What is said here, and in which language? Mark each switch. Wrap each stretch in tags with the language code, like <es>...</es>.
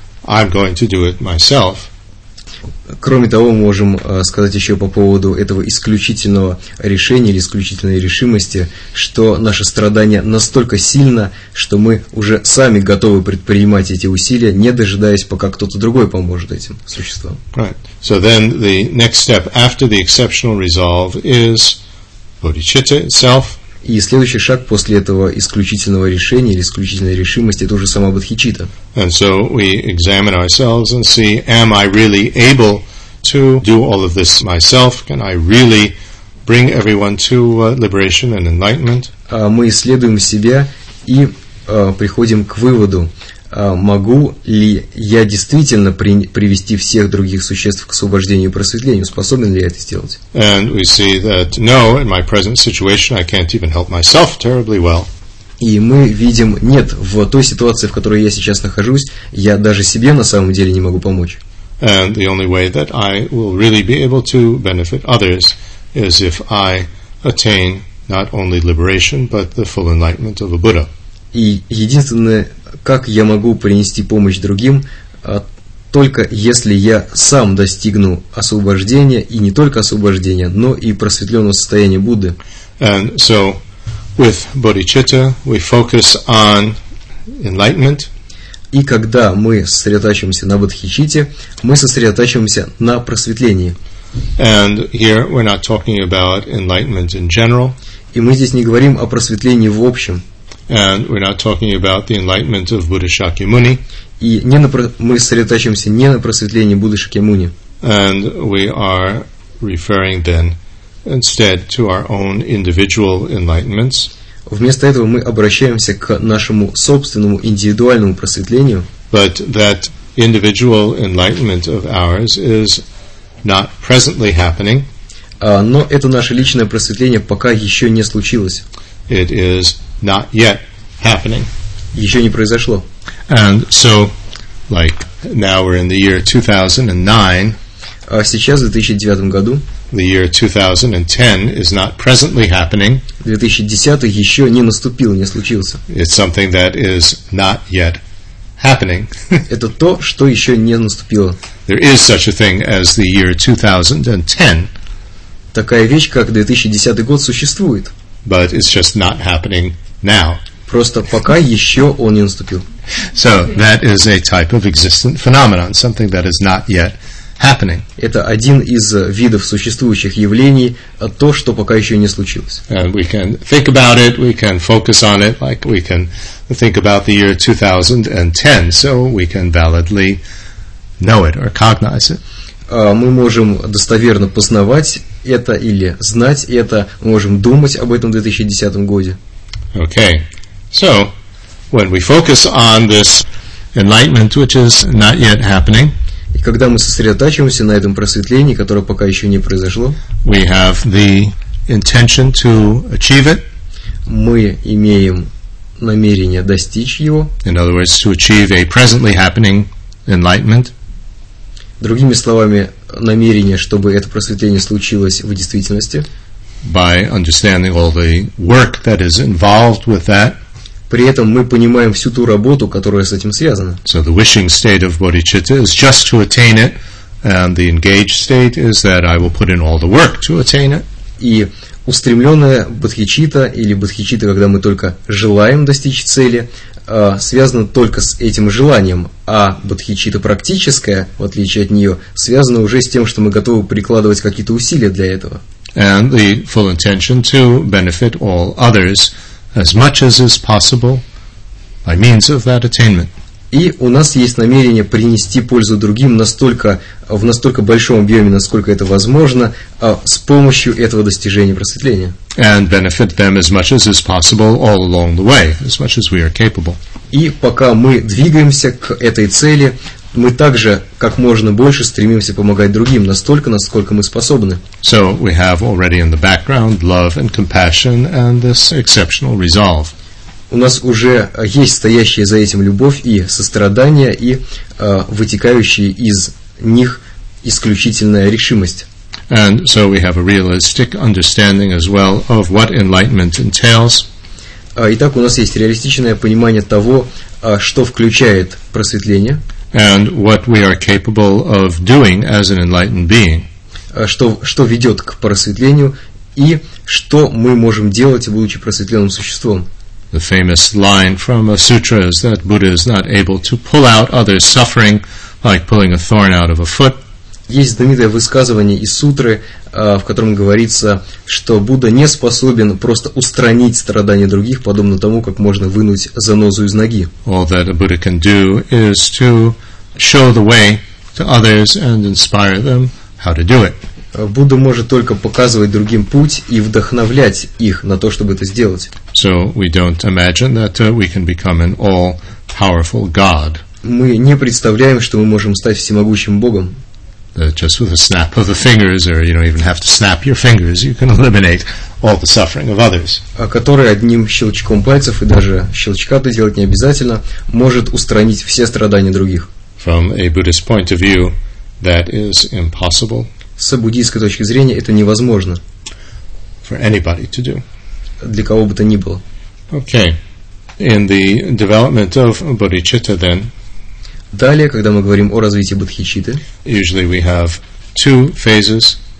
<en>I'm going to do it myself.</en> <ru>Кроме того, мы можем сказать еще по поводу этого исключительного решения или исключительной решимости, что наше страдание настолько сильно, что мы уже сами готовы предпринимать эти усилия, не дожидаясь, пока кто-то другой поможет этим существам.</ru> <en>Right. So then the next step after the exceptional resolve is bodhicitta itself.</en> <ru>И следующий шаг после этого исключительного решения или исключительной решимости – это уже сама бодхичитта.</ru> <en>And so we examine ourselves and see, am I really able to do all of this myself? Can I really bring everyone to liberation and enlightenment?</en> <ru>Мы исследуем себя и приходим к выводу, могу ли я действительно привести всех других существ к освобождению и просветлению? Способен ли я это сделать?</ru> <en>And we see that no, in my present situation, I can't even help myself terribly well.</en> <ru>И мы видим, нет, в той ситуации, в которой я сейчас нахожусь, я даже себе на самом деле не могу помочь.</ru> <en>And the only way that I will really be able to benefit others is if I attain not only liberation, but the full enlightenment of a Buddha.</en> <ru>И единственное, как я могу принести помощь другим, только если я сам достигну освобождения, и не только освобождения, но и просветленного состояния Будды.</ru> <en>And so, with bodhicitta, we focus on enlightenment.</en> <ru>И когда мы сосредотачиваемся на бодхичитте, мы сосредотачиваемся на просветлении.</ru> <en>And here we're not talking about enlightenment in general.</en> <ru>И мы здесь не говорим о просветлении в общем.</ru> <en>And we're not talking about the enlightenment of Buddha Shakyamuni.</en> <ru>И не на мы сосредотачиваемся не на просветлении Будды Шакьямуни.</ru> <en>And we are referring then instead to our own individual enlightenments.</en> <ru>Вместо этого мы обращаемся к нашему собственному индивидуальному просветлению.</ru> <en>But that individual enlightenment of ours is not presently happening.</en> <ru>Но это наше личное просветление пока еще не случилось.</ru> <en>It is not yet happening.</en> <ru>Еще не произошло.</ru> <en>And so, like now we're in the year 2009.</en> <ru>Сейчас в 2009 году.</ru> <en>The year 2010 is not presently happening.</en> <ru>2010 еще не наступил, не случился.</ru> <en>It's something that is not yet happening.</en> <ru>Это то, что еще не наступило.</ru> <en>There is such a thing as the year 2010.</en> <ru>Такая вещь, как 2010 год, существует.</ru> <en>But it's just not happening now.</en> <ru>Просто пока еще он не наступил.</ru> <en>So that is a type of existent phenomenon, something that is not yet happening.</en> <ru>Это один из видов существующих явлений, то, что пока еще не случилось.</ru> <en>And we can think about it, we can focus on it, like we can think about the year 2010, so we can validly know it or cognize it.</en> <ru>Мы можем достоверно познавать это или знать это, мы можем думать об этом 2010 году.</ru> <en>Okay. So, when we focus on this enlightenment, which is not yet happening,</en> <ru>и когда мы сосредотачиваемся на этом просветлении, которое пока еще не произошло,</ru> <en>we have the intention to achieve it.</en> <ru>Мы имеем намерение достичь его.</ru> <en>In other words, to achieve a presently happening enlightenment.</en> <ru>Другими словами, намерение, чтобы это просветление случилось в действительности.</ru> <en>By understanding all the work that is involved with that.</en> <ru>При этом мы понимаем всю ту работу, которая с этим связана.</ru> <en>So the wishing state of bodhicitta is just to attain it, and the engaged state is that I will put in all the work to attain it.</en> <ru>И устремленная бодхичитта или бодхичитта, когда мы только желаем достичь цели, связано только с этим желанием, а бодхичитта практическая, в отличие от нее, связана уже с тем, что мы готовы прикладывать какие-то усилия для этого.</ru> <en>And the full intention to benefit all others as much as is possible by means of that attainment.</en> <ru>И у нас есть намерение принести пользу другим настолько, в настолько большом объеме, насколько это возможно, с помощью этого достижения просветления.</ru> <en>And benefit them as much as is possible all along the way, as much as we are capable.</en> <ru>И пока мы двигаемся к этой цели, мы также как можно больше стремимся помогать другим настолько, насколько мы способны.</ru> <en>So we have already in the background love and compassion and this exceptional resolve.</en> <ru>У нас уже есть стоящая за этим любовь и сострадание, и вытекающая из них исключительная решимость.</ru> <en>And so we have a realistic understanding as well of what enlightenment entails.</en> <ru>Итак, у нас есть реалистичное понимание того, что включает просветление.</ru> <en>And what we are capable of doing as an enlightened being.</en> <ru>Что ведет к просветлению, и что мы можем делать, будучи просветленным существом.</ru> <en>The famous line from a sutra is that Buddha is not able to pull out others' suffering like pulling a thorn out of a foot.</en> <ru>Есть знаменитое высказывание из сутры, в котором говорится, что Будда не способен просто устранить страдания других, подобно тому, как можно вынуть занозу из ноги.</ru> <en>All that a Buddha can do is to show the way to others and inspire them how to do it.</en> <ru>Будда может только показывать другим путь и вдохновлять их на то, чтобы это сделать.</ru> <en>So we don't imagine that we can become an all-powerful God.</en> <ru>Мы не представляем, что мы можем стать всемогущим Богом.</ru> <en>Just with a snap of the fingers, or you don't even have to snap your fingers, you can eliminate all the suffering of others.</en> <ru>Который одним щелчком пальцев и даже щелчка-то делать не обязательно, может устранить все страдания других.</ru> <en>From a Buddhist point of view, that is impossible.</en> <ru>С буддийской точки зрения это невозможно.</ru> <en>For anybody to do.</en> <ru>Для кого бы то ни было.</ru> <en>Okay. In the development of bodhicitta, then.</en> <ru>Далее, когда мы говорим о развитии бодхичитты.</ru> <en>Usually we have two phases.</en>